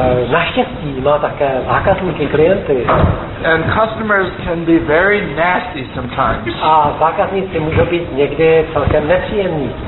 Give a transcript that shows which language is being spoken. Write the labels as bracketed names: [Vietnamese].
[Czech] Naštěstí má také zákazníky, klienty. [English] And customers can be very nasty sometimes. [Czech] A zákazníci můžou být někdy celkem nepříjemní.